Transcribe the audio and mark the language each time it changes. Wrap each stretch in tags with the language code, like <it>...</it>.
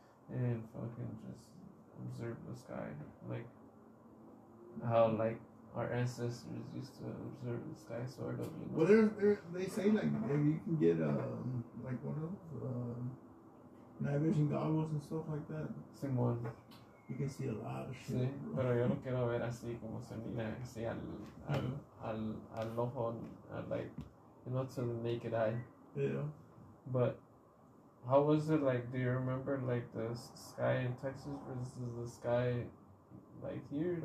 <en>And fucking just observe the sky, like, how, like, our ancestors used to observe the sky, sort of, you know. Well, they say, like, if you can get, like, one of those, night vision goggles and stuff like that. Same one. You can see a lot of shit.</en> <es>Sí, pero yo no quiero ver así como se mira así al ojo,</es> <en>like, you know, to the naked eye. Yeah. But how was it like? Do you remember like the sky in Texas versus the sky like here?</en>